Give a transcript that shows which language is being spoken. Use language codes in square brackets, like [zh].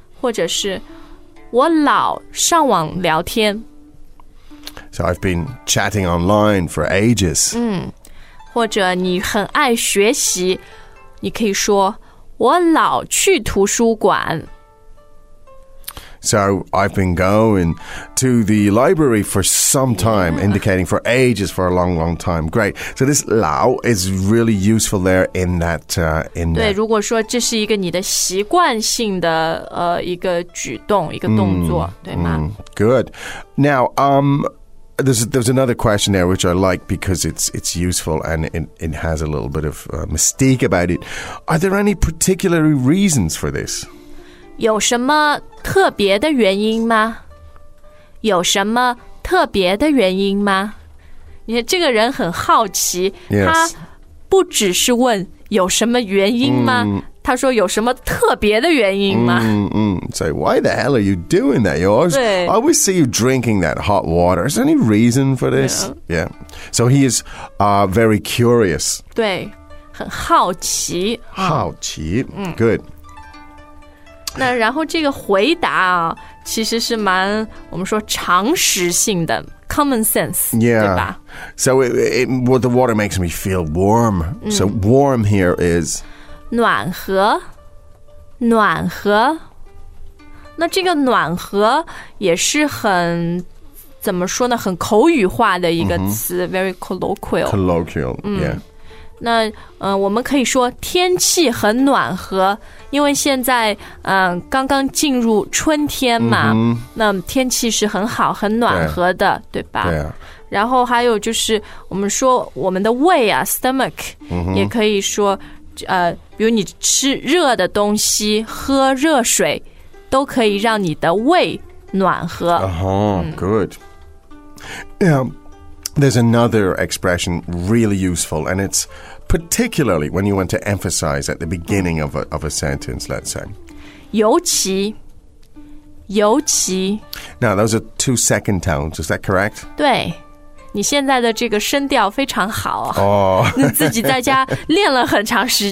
[zh] 或者是，我老上网聊天。So [en] I've been chatting online for ages. [zh] 或者你很爱学习，你可以说我老去图书馆。 [en] So I've been going to the library for some time, indicating for ages, for a long, long time. Great. So this 老 is really useful there in that. [zh] 对，如果说这是一个你的习惯性的一个举动，一个动作，对吗？ [en] Good. Now, There's another question there which I like because it's useful and it has a little bit of mystique about it. Are there any particular reasons for this? [zh] 有什么特别的原因吗？有什么特别的原因吗？你看这个人很好奇，他不只是问有什么原因吗？他说有什么特别的原因吗？ [en] So why the hell are you doing that? I always see you drinking that hot water. Is there any reason for this? Yeah. So he is very curious. [zh] 对，很好奇。好奇。Good. 那然后这个回答啊，其实是蛮我们说常识性的。 [en] Common sense, yeah. [zh] 对吧? [en] So well, the water makes me feel warm. So warm here is [zh] 暖和，暖和。那这个暖和也是很怎么说呢？很口语化的一个词、 [en] very colloquial. Colloquial, yeah. [zh] 那我们可以说天气很暖和，因为现在刚刚进入春天嘛，那天气是很好、很暖和的， 对吧？对啊。然后还有就是我们说我们的胃啊 ，stomach， 也可以说比如你吃热的东西、喝热水，都可以让你的胃暖和。 [en] Good. Yeah. There's another expression really useful, and it's particularly when you want to emphasize at the beginning of a sentence, let's say. [zh] 尤其,尤其。 [en] Now, those are two second tones, is that correct? [zh] 对,你现在的这个声调非常好。你自己在家练了很长时间,